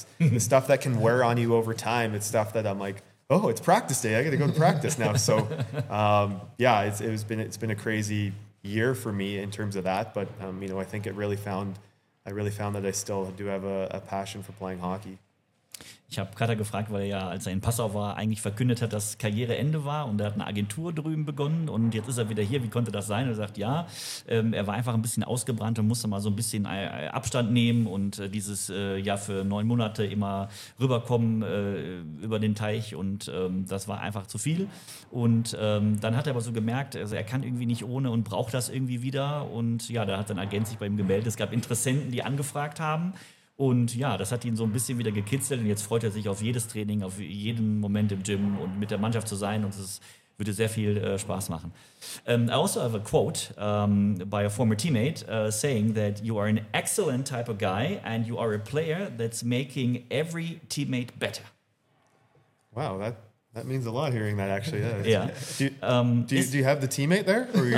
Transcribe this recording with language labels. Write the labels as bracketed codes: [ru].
[en] It's the stuff that can wear on you over time. It's stuff that I'm like, oh, it's practice day. I got to go to practice now. So, it's been a crazy year for me in terms of that. But, I think I really found that I still do have a passion for playing hockey. [de] Ich habe Kata gefragt, weil er ja, als er in Passau war, eigentlich verkündet hat, dass Karriereende war, und er hat eine Agentur drüben begonnen und jetzt ist er wieder hier. Wie konnte das sein? Und er sagt, ja, er war einfach ein bisschen ausgebrannt und musste mal so ein bisschen Abstand nehmen und dieses Jahr für 9 Monate immer rüberkommen über den Teich, und das war einfach zu viel. Und dann hat er aber so gemerkt, also er kann irgendwie nicht ohne und braucht das irgendwie wieder. Und ja, da hat sein Agent sich bei ihm gemeldet. Es gab Interessenten, die angefragt haben. Und ja, das hat ihn so ein bisschen wieder gekitzelt, und jetzt freut er sich auf jedes Training, auf jeden Moment im Gym und mit der Mannschaft zu sein, und es würde sehr viel Spaß machen. [en] I also have a quote by a former teammate saying that you are an excellent type of guy and you are a player that's making every teammate better. Wow, that means a lot hearing that, actually. Yeah. Yeah. Do you have the teammate there?